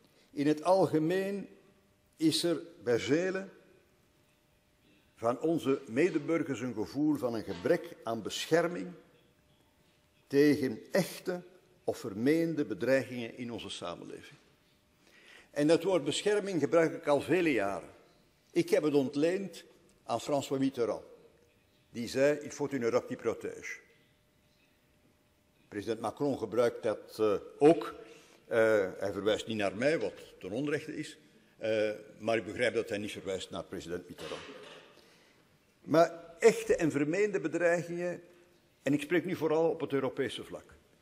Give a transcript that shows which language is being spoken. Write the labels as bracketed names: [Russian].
[Dutch] In het algemeen is er bij velen van onze medeburgers een gevoel van een gebrek aan bescherming tegen echte of vermeende bedreigingen in onze samenleving. En dat woord bescherming gebruik ik al vele jaren. Ik heb het ontleend aan François Mitterrand. Die zei, [French] il faut une Europe qui protège. [Dutch] President Macron gebruikt dat ook. Hij verwijst niet naar mij, wat ten onrechte is. Maar ik begrijp dat hij niet verwijst naar president Mitterrand. Maar echte en vermeende bedreigingen, en ik spreek nu vooral op het Europese vlak.